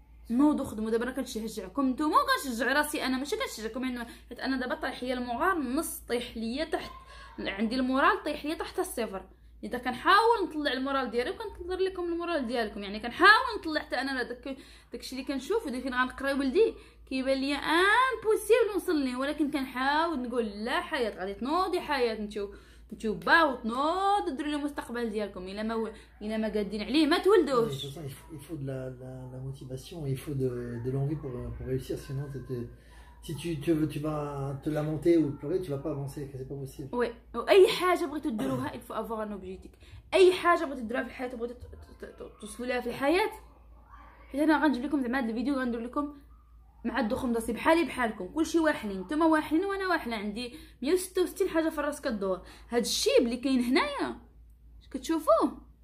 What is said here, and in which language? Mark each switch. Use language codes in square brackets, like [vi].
[ar] نوضو خدمو دابا انا كنشجعكم نتوما وكنشجع راسي انا ماشي كنشجعكم حيت انا دابا طيح ليا المغار نص طيح ليا تحت عندي المورال طيح ليا تحت الصفر اذا كنحاول نطلع المورال ديالي وكنظهر لكم المورال ديالكم يعني كنحاول نطلع حتى انا داكشي اللي كنشوف وديك فين غنقرا ولدي كيبان ليا امبوسيبل نوصل ليه ولكن كنحاول نقول لا حياه غادي تنوضي حياه انتو باو تنوض ديروا لي المستقبل ديالكم الا ما الا ما قادين عليه ما تولدوش [fr] il faut de la motivation il faut de l'envie pour réussir sinon Si tu veux, tu vas te lamenter ou pleurer, tu vas pas avancer, c'est pas possible. Oui. [ar] أي حاجة بغيت تديروها [fr] il faut avoir un objectif. [ar] أي حاجة بغيت تديروها في الحياة بغيت توصلوها في الحياة حيت أنا غنجيب لكم زعما هذا الفيديو غندير لكم مع الدخول مدرسي بحالي بحالكم كلشي واحلين نتوما واحلين وأنا واحلة عندي 166 حاجة في الراس كدور هاد الشيب اللي كاين هنايا كتشوفوه